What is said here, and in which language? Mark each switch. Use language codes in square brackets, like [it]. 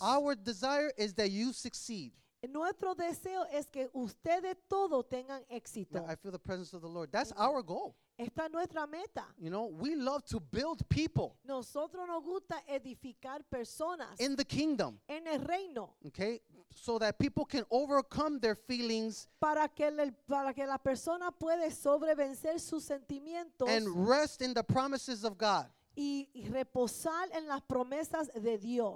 [en] Our desire is that you succeed. [es] Nuestro deseo es que ustedes todos tengan éxito. [en] Now, I feel the presence of the Lord. That's mm-hmm. our goal. [es] Esta es nuestra meta. [en] You know, we love to build people. [es] Nosotros nos gusta edificar personas. [en] In the kingdom. [es] En el reino. [en] Okay? So that people can overcome their feelings. [es] Para que la persona puede sobrevencer sus sentimientos. [en] And rest in the promises of God. [es] Y reposar en las promesas de Dios.